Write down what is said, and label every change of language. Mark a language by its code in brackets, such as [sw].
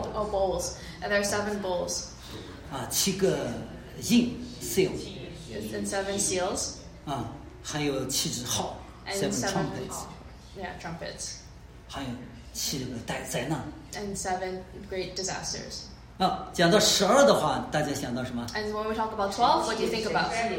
[en] Oh, bowls. And there are seven bowls. [zh] 七个印 ，seal。 [en] And seven seals. [zh] 还有七支号 [en] ，seven trumpets. Yeah, trumpets. [zh] 还有七个大灾难。 [en] And seven great disasters. [zh] 讲到十二的话，大家想到什么 [en] ？And when we talk about 12, what do you think about?